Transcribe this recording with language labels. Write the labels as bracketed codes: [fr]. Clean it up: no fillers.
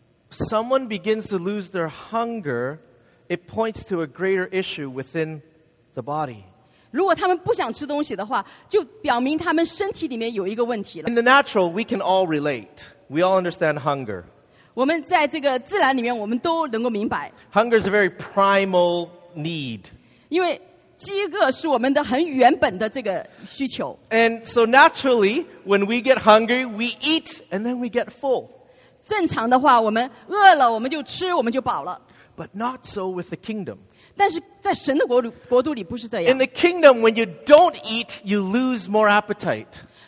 [en] someone begins to lose their hunger, it points to a greater issue within the body. [zh] 如果他们不想吃东西的话，就表明他们身体里面有一个问题了。 [en] In the natural, we can all relate. We all understand hunger. [zh] 我们在这个自然里面，我们都能够明白。 [en] Hunger is a very primal need. [zh] 因为饥饿是我们的很原本的这个需求。 [en] And so naturally, when we get hungry, we eat and then we get full. [zh] 正常的话，我们饿了，我们就吃，我们就饱了。 [en] But not so with the kingdom. [zh] 但是在神的国度里不是这样。 [en] In the kingdom, when you don't eat, you lose more appetite.